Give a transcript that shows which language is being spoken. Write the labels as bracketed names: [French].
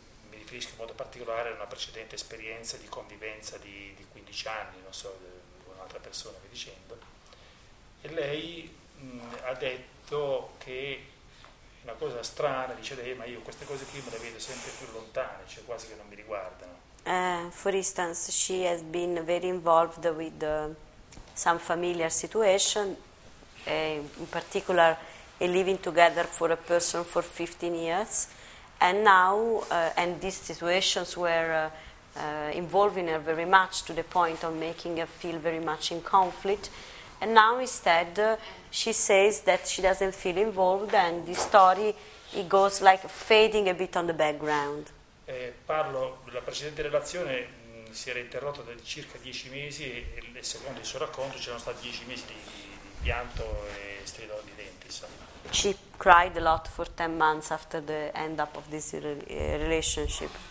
[Italian] Mi riferisco in modo particolare a una precedente esperienza di convivenza di 15 anni, non so, con un'altra persona, vi dicendo. E lei ha detto che una cosa strana, dice lei, ma io queste cose qui me le vedo sempre più lontane, cioè quasi che non mi riguardano. [English] For instance, she has been very involved with some familiar situation, in particular living together for a person for 15 years, and now, and these situations were involving her very much to the point of making her feel very much in conflict. And now instead, she says that she doesn't feel involved, and the story it goes like fading a bit on the background. [Italian] Parlo, la precedente relazione si era interrotta da circa 10 mesi, e secondo il suo racconto c'erano stati 10 mesi di pianto e strido di denti, insomma. [English] She cried a lot for 10 months after the end up of this relationship.